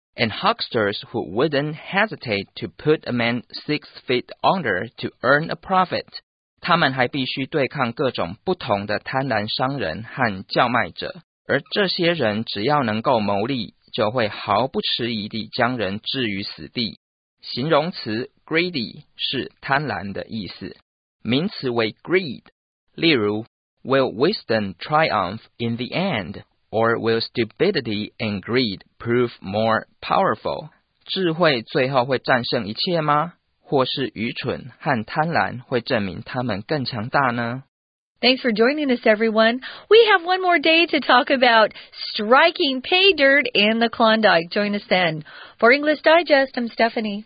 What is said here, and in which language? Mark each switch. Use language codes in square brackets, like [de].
[en] And hucksters who wouldn't hesitate to put a man 6 feet under to earn a profit. [zh] 他们还必须对抗各种不同的贪婪商人和叫卖者，而这些人只要能够牟利，就会毫不迟疑地将人置于死地。形容词 greedy 是贪婪的意思，名词为 greed。例如 [en] ，Will wisdom triumph in the end? Or will stupidity and greed prove more powerful? [zh] 智慧最后会战胜一切吗？或是愚蠢和贪婪会证明他们更强大呢？ [en] Thanks for joining us, everyone. We have one more day to talk about striking pay dirt in the Klondike. Join us then. For English Digest, I'm Stephanie.